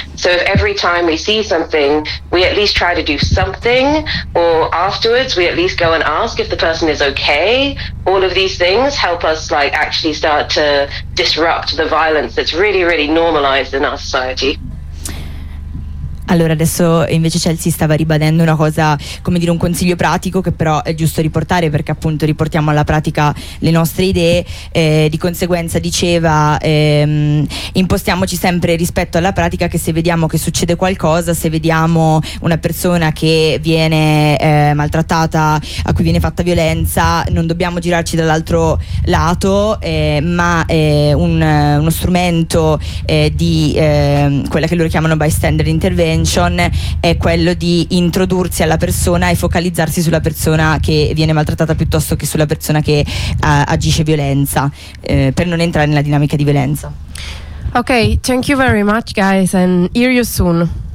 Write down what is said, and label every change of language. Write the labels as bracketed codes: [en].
[en] So if every time we see something, we at least try to do something, or afterwards we at least go and ask if the person is okay, all of these things help us like actually start to disrupt the violence that's really, really normalized in our society. [it] Allora, adesso invece Chelsea stava ribadendo una cosa, come dire, un consiglio pratico che però è giusto riportare, perché appunto riportiamo alla pratica le nostre idee. Di conseguenza diceva, impostiamoci sempre rispetto alla pratica, che se vediamo che succede qualcosa, se vediamo una persona che viene maltrattata, a cui viene fatta violenza, non dobbiamo girarci dall'altro lato, ma uno strumento di quella che loro chiamano bystander intervention, attention è quello di introdursi alla persona e focalizzarsi sulla persona che viene maltrattata piuttosto che sulla persona che agisce violenza, per non entrare nella dinamica di violenza. [en] Okay, thank you very much, guys, and hear you soon.